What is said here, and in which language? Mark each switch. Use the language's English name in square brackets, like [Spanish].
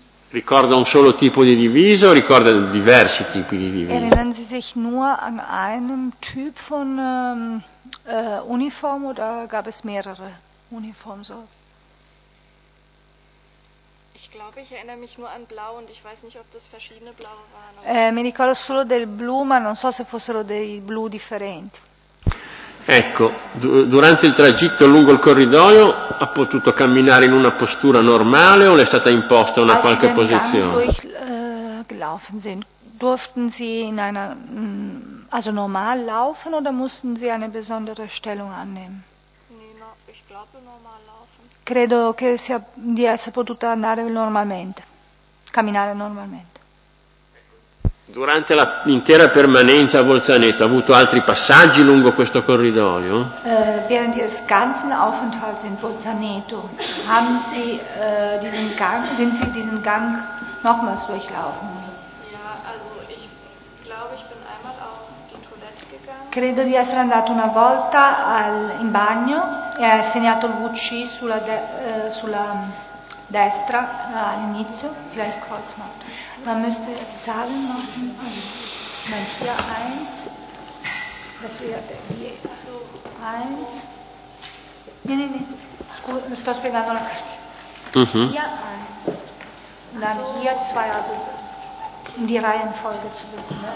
[Italian] Ricorda un solo tipo di divisa o ricorda diversi tipi di divisa? [German] Erinnern Sie sich nur an einem Typ von Uniform oder gab es mehrere Uniformen so? Ich glaube, ich erinnere mich nur an blau und ich weiß nicht, ob das verschiedene blaue waren. [Italian] Mi ricordo solo del blu, ma non so se fossero dei blu differenti. Ecco, durante il tragitto lungo il corridoio ha potuto camminare in una postura normale o le è stata imposta una qualche posizione? [German] Als wir gelaufen sind, durften Sie in einer also normal laufen oder mussten Sie eine besondere Stellung annehmen? Ich glaube normal laufen. [Italian] Credo che sia di essere potuta andare normalmente, camminare normalmente. Durante l'intera permanenza a Bolzaneto ha avuto altri passaggi lungo questo corridoio? [German] Während ihres ganzen Aufenthalts in Bolzaneto haben Sie diesen Gang, sind Sie diesen Gang nochmals durchlaufen? Ja, also ich glaube, ich bin einmal auf die Toilette gegangen. [Italian] Credo di essere andato una volta in bagno e ha segnato il WC sulla destra all'inizio, [German] vielleicht kurz mal. Man müsste jetzt sagen, machen, hier eins, das wäre hier so eins, nee, [Italian] sto spiegando la carta. [German] Hier eins, und dann hier zwei, also um die Reihenfolge zu wissen. Ne?